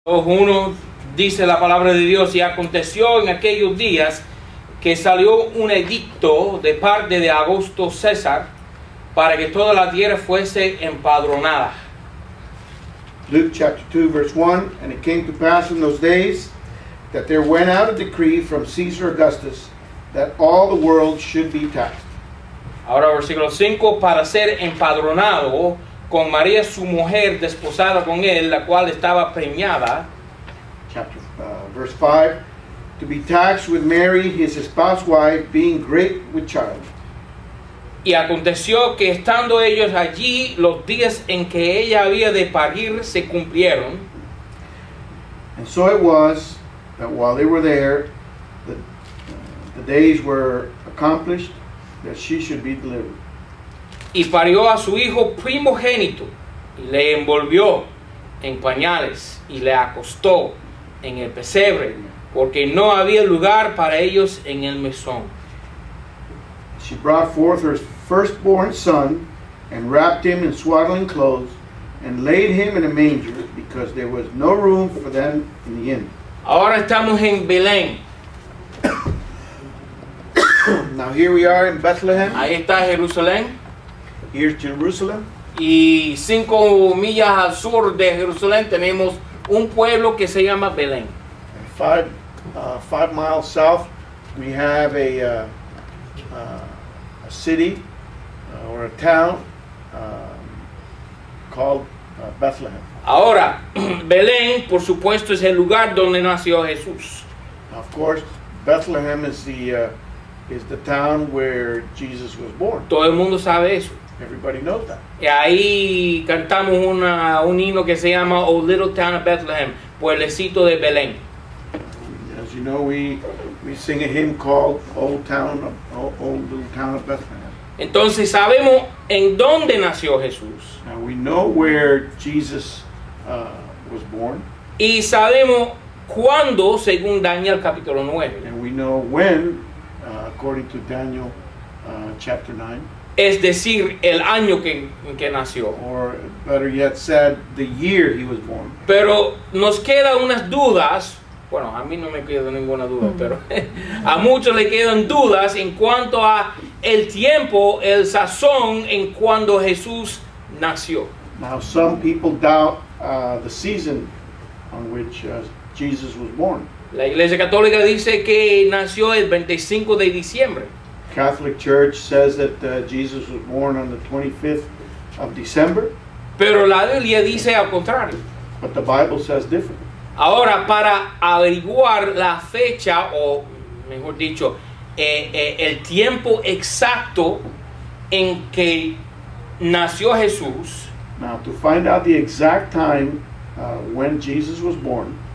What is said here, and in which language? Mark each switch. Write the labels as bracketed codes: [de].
[es] 1 dice la palabra de Dios: y aconteció en aquellos días que salió un edicto de parte de Augusto César para que toda la tierra fuese empadronada. [en] Luke chapter 2 verse 1, and it came to pass in those days that there went out a decree from Caesar Augustus that all the world should be taxed. [es] Ahora versículo 5, para ser empadronado con María su mujer desposada con él, la cual estaba preñada. [en] Chapter verse 5, to be taxed with Mary his espoused wife, being great with child. [es] Y aconteció que estando ellos allí, los días en que ella había de parir se cumplieron. [en] And so it was that while they were there, the days were accomplished that she should be delivered. [es] Y parió a su hijo primogénito, y le envolvió en pañales, y le acostó en el pesebre, porque no había lugar para ellos en el mesón. [en] She brought forth her firstborn son, and wrapped him in swaddling clothes, and laid him in a manger, because there was no room for them in the inn. [es] Ahora estamos en Belén. [en] Now here we are in Bethlehem. [es] Ahí está Jerusalén. [en] Here's Jerusalem. [es] Y 5 millas al sur de Jerusalén tenemos un pueblo que se llama Belén. [en] And five miles south, we have a city or a town called Bethlehem. [es] Ahora, Belén, por supuesto, es el lugar donde nació Jesús. [en] Of course, Bethlehem is the town where Jesus was born. [es] Todo el mundo sabe eso. [en] Everybody knows that. [es] Y ahí cantamos un himno que se llama "O Little Town of Bethlehem", pueblecito de Belén. [en] As you know, we sing a hymn called "O Little Town of Bethlehem". [es] Entonces sabemos en dónde nació Jesús. [en] Now we know where Jesus was born. [es] Y sabemos cuándo, según Daniel capítulo 9. [en] And we know when, according to Daniel chapter 9. [es] Es decir, el año que nació. [en] Or better yet said, the year he was born. [es] Pero nos quedan unas dudas. Bueno, a mí no me queda ninguna duda, pero a muchos le quedan dudas en cuanto a el tiempo, el sazón en cuando Jesús nació. [en] Now some people doubt the season on which Jesus was born. [es] La Iglesia Católica dice que nació el 25 de diciembre. [en] Catholic Church says that Jesus was born on the 25th of December. [es] Pero la Biblia dice al contrario. [en] But the Bible says different. [es] Ahora, para averiguar la fecha, o mejor dicho, el tiempo exacto en que nació Jesús. [en] Now, to find out the exact time when Jesus was born.